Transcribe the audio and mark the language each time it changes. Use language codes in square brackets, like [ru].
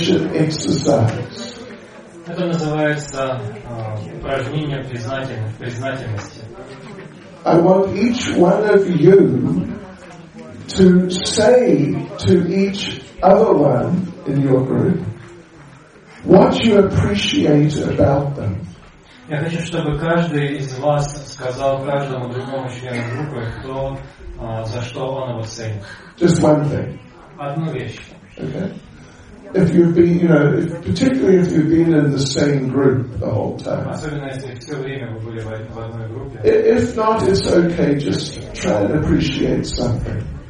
[ru] Это называется упражнение признательности. [en] I want each one of you to say to each other one in your group what you appreciate about them. [ru] Я хочу, чтобы каждый из вас сказал каждому другому члену группы, кто за что он его ценит. [en] Just one thing. [ru] Одну вещь. [en] Okay. If you've been, you know, if, particularly if you've been in the same group the whole time. If not, it's okay, just try and appreciate something.